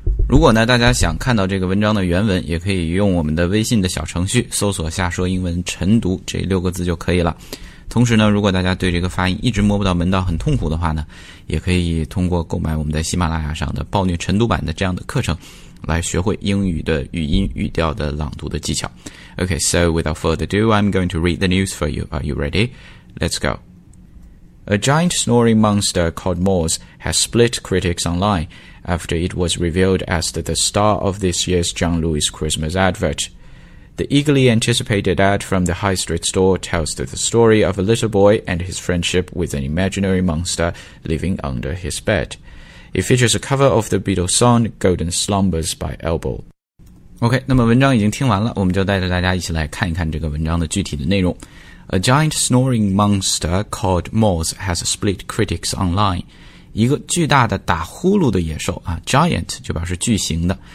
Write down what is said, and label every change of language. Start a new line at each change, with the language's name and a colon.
Chinese: 如果呢大家想看到这个文章的原文，也可以用我们的微信的小程序搜索下说英文晨读这六个字就可以了。同时呢，如果大家对这个发音一直摸不到门道很痛苦的话呢，也可以通过购买我们在喜马拉雅上的暴虐晨读版的这样的课程，来学会英语的语音语调的朗读的技巧。
English: Okay, so without further ado, I'm going to read the news for you. Are you ready? Let's go. A giant snoring monster called Moors has split critics online after it was revealed as the star of this year's John Lewis Christmas advert. The eagerly anticipated ad from the high street store tells the story of a little boy and his friendship with an imaginary monster living under his bed. It features a cover of the Beatles song Golden Slumbers by Elbow.
Chinese: OK, 那么文章已经听完了，我们就带着大家一起来看一看这个文章的具体的内容。
English: A giant snoring monster called Moors has split critics online.
Chinese: 一个巨大的打呼噜的野兽啊 ,giant 就表示巨型的。